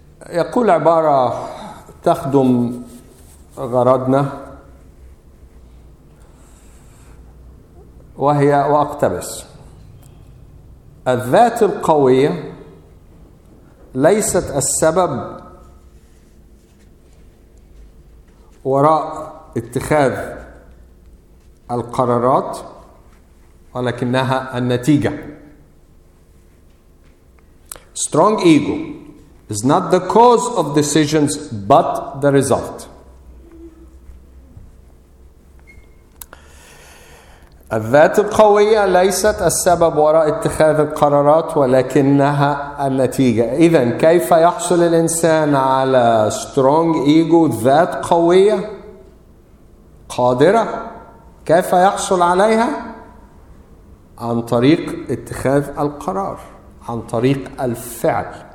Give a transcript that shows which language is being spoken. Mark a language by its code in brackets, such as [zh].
[ar] يقول عبارة تخدم غرضنا، وهي، وأقتبس: الذات القوية ليست السبب وراء اتخاذ القرارات، ولكنها النتيجة. [en] Strong ego is not the cause of decisions but the result. [ar] الذات القوية ليست السبب وراء اتخاذ القرارات ولكنها النتيجة. إذن كيف يحصل الإنسان على strong ego، ذات قوية قادرة، كيف يحصل عليها؟ عن طريق اتخاذ القرار، عن طريق الفعل.